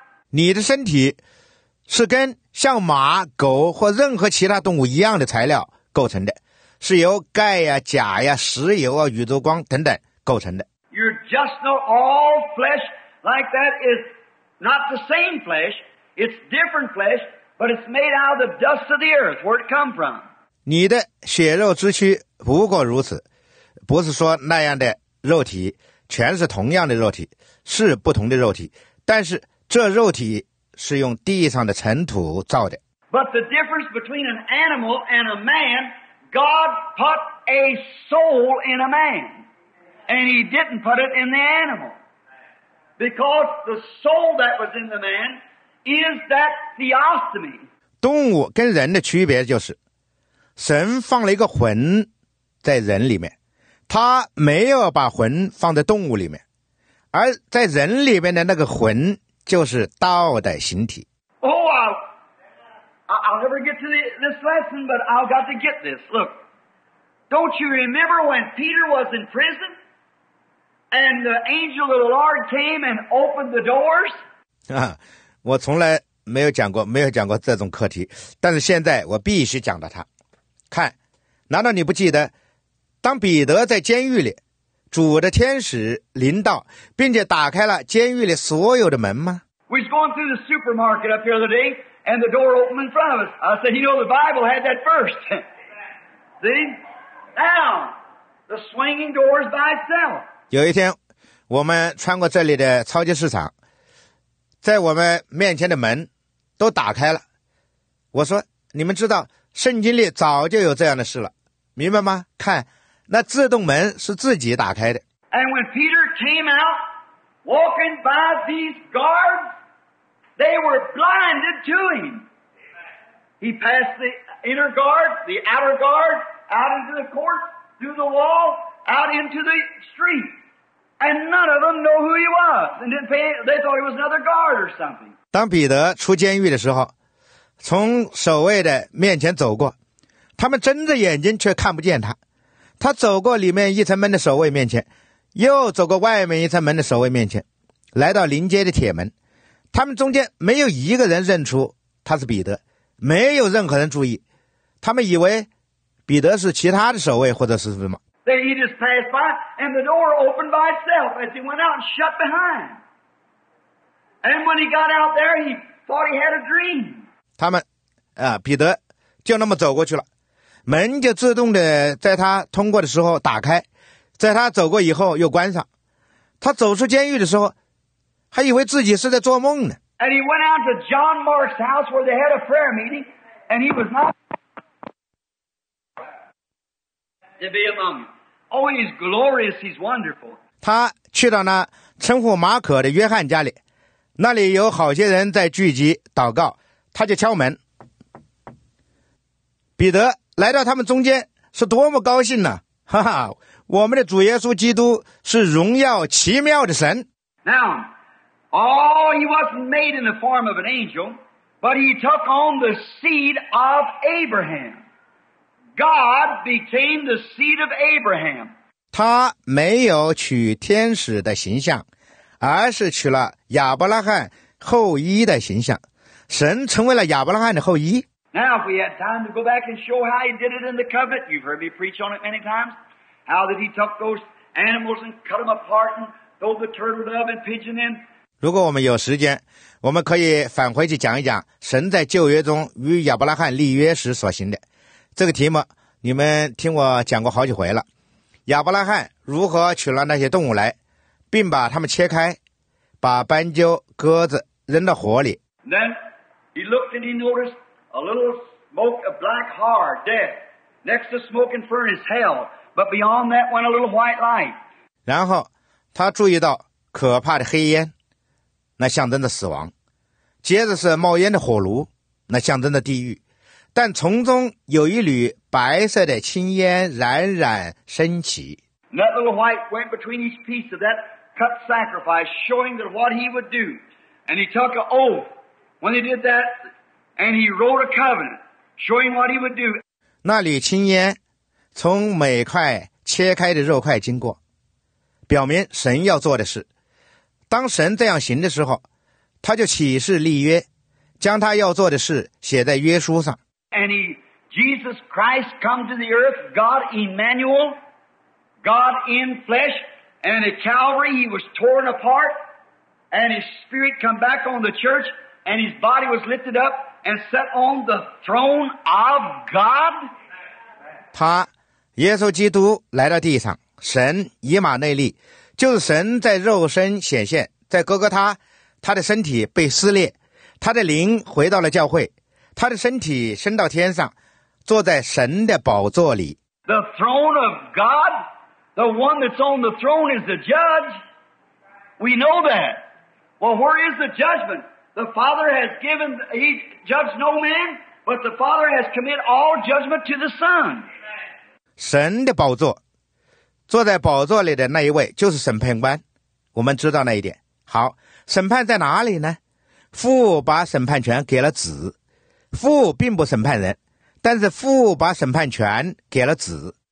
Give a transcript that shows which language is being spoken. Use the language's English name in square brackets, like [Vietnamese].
[Chinese] 你的身体是跟像马、狗或任何其他动物一样的材料构成的，是由钙呀、钾呀、石油啊、宇宙光等等构成的。 [English] You're just know all flesh like that is not the same flesh, it's different flesh, but it's made out of the dust of the earth where it come from. [Chinese] 你的血肉之躯不过如此，不是说那样的肉体全是同样的肉体，是不同的肉体，但是这肉体是用地上的尘土造的。 [English] But the difference between an animal and a man, God put a soul in a man, and he didn't put it in the animal. Because the soul that was in the man is that theostomy. [Chinese] 动物跟人的区别就是，神放了一个魂在人里面，他没有把魂放在动物里面。而在人里面的那个魂就是道的形体。 [English] Oh, I'll never get to this lesson, but I've got to get this. Look, don't you remember when Peter was in prison and the angel of the Lord came and opened the doors? [Chinese] 我从来没有讲过这种课题，但是现在我必须讲到它。看，难道你不记得，当彼得在监狱里，主的天使临到，并且打开了监狱里所有的门吗？ [English] We was going through the supermarket up the other day, and the door opened in front of us. I said, you know, the Bible had that first. See? Now, the swinging doors by itself. [Chinese] 有一天，我们穿过这里的超级市场，在我们面前的门都打开了。我说，你们知道，圣经里早就有这样的事了，明白吗？看，那自动门是自己打开的。 [English] And when Peter came out, walking by these guards, they were blinded to him. He passed the inner guard, the outer guard, out into the court, through the wall, out into the street. And none of them know who he was. And didn't pay, they thought he was another guard or something. [Chinese] 当彼得出监狱的时候，从守卫的面前走过，他们睁着眼睛却看不见他。他走过里面一层门的守卫面前，又走过外面一层门的守卫面前，来到临街的铁门，他们中间没有一个人认出他是彼得，没有任何人注意，他们以为彼得是其他的守卫或者是什么。 [English] They just passed by, and the door opened by itself as he went out and shut behind. And when he got out there, he thought he had a dream. [Chinese] 他们，彼得就那么走过去了。门就自动的在他通过的时候打开，在他走过以后又关上。他走出监狱的时候，还以为自己是在做梦呢。 [English] And he went out to John Mark's house where they had a prayer meeting, and he was not to be among you. Oh, he's glorious, he's wonderful. [Chinese] 他去到那称呼马可的约翰家里，那里有好些人在聚集祷告，他就敲门。彼得来到他们中间是多么高兴呢，哈哈，我们的主耶稣基督是荣耀奇妙的神。 [English] Now, oh, he wasn't made in the form of an angel, but he took on the seed of Abraham. God became the seed of Abraham. [Chinese] 他没有取天使的形象，而是取了亚伯拉罕后裔的形象，神成为了亚伯拉罕的后裔。 [English] Now, if we had time to go back and show how he did it in the covenant, you've heard me preach on it many times, how that he took those animals and cut them apart and throw the turtle dove and pigeon in. [Chinese] 如果我们有时间，我们可以返回去讲一讲神在旧约中与亚伯拉罕立约时所行的。这个题目你们听我讲过好几回了。亚伯拉罕如何取了那些动物来，并把它们切开，把斑鸠、鸽子扔到火里。 [English] Then he looked and he noticed. A little smoke of black hard, death. Next to smoking furnace, hell. But beyond that went a little white light. [Chinese] 然后他注意到可怕的黑烟，那象征着死亡。接着是冒烟的火炉，那象征着地狱。但从中有一缕白色的青烟冉冉升起。 [English] And that little white went between each piece of that cut sacrifice, showing that what he would do. And he took an oath. When he did that,And he wrote a covenant, showing what he would do. [Chinese] 那缕青烟从每块切开的肉块经过，表明神要做的事。当神这样行的时候，他就起誓立约，将他要做的事写在约书上。 [English] And he, Jesus Christ come to the earth, God Emmanuel, God in flesh, and at Calvary he was torn apart, and his spirit come back on the church, and his body was lifted up. And set on the throne of God. [Chinese] 他耶稣基督来到地上，神以马内利，就是神在肉身显现，在哥哥他，他的身体被撕裂，他的灵回到了教会，他的身体升到天上，坐在神的宝座里。 [English] The throne of God, the one that's on the throne is the judge. We know that. Well, where is the judgment? The Father has given, he judged no man, but the Father has committed all judgment to the Son. [Chinese] 神的宝座，坐在宝座里的那一位就是审判官，我们知道那一点。好，审判在哪里呢？父把审判权给了子，父并不审判人，但是父把审判权给了子。